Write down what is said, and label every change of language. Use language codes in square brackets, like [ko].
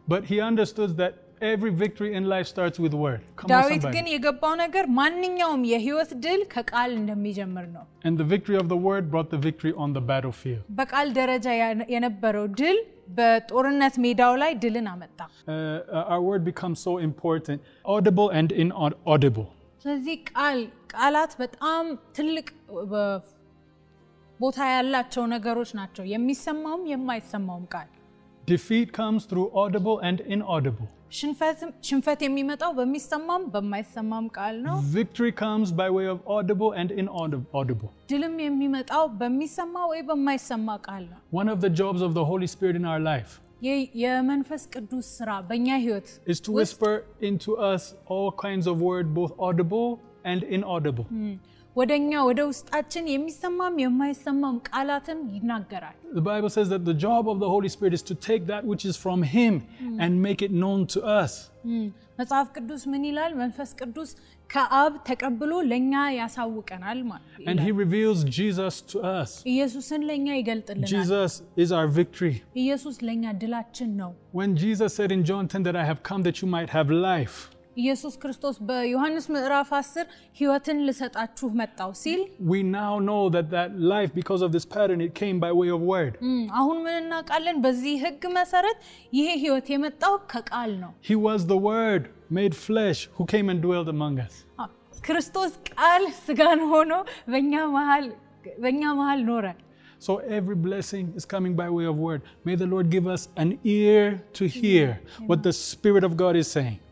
[en] But he understood that every victory in life starts with word. [am] David ግን የገባው ነገር ማንኛውም የህይወት ድል ከቃል እንደሚጀምር ነው. [en] And the victory of the word brought the victory on the battlefield. [am] በቃል ደረጃ የነበረው ድል በጦርነት ሜዳው ላይ ድልን አመጣ. [en] Our word becomes so important, audible and inaudible. [am] ስለዚህ ቃላት በጣም ትልቅ ቦታ ያላቸው ነገሮች ናቸው. የሚሰማውም የማይሰማውም ቃል. [en] Defeat comes through audible and inaudible. [am] ሽንፈት የሚመጣው በሚሰማም በማይሰማም ቃል ነው. [en] Victory comes by way of audible and inaudible. [am] ድልም የሚመጣው በሚሰማ ወይ በማይሰማ ቃል ነው. [en] One of the jobs of the Holy Spirit in our life. [am] የመንፈስ ቅዱስ ሥራ በእኛ ህይወት [en] is to whisper into us all kinds of word, both audible and inaudible. [am] ወደኛ ወደ ውስጣችን የሚሰማም የማይሰማም ቃላትን ይናገራል. [en] The Bible says that the job of the Holy Spirit is to take that which is from him and make it known to us. [am] መጽሐፍ ቅዱስ ምን ይላል? መንፈስ ቅዱስ ከአብ ተቀብሎ ለኛ ያሳውቀናል ማለት ነው. [en] And he reveals Jesus to us. [am] ኢየሱስን ለኛ ይገልጥልናል. [en] Jesus is our victory. [am] ኢየሱስ ለኛ ድላችን ነው. [en] When Jesus said in John 10 that I have come that you might have life. [am] Jesus Christos be Johannes ምዕራፍ 10 ህይወትን ልሰጣችሁ መጣው ሲል. [en] We now know that life, because of this pattern, it came by way of word. [am] አሁን ምን እናቃለን? በዚህ ህግ መሰረት ይሄ ህይወት የመጣው ከቃል ነው. [en] He was the word made flesh who came and dwelt among us. [am] Christos ቃል ስጋን ሆኖ በእኛ መሃል ኖረ. [en] So every blessing is coming by way of word. May the Lord give us an ear to hear what the Spirit of God is saying.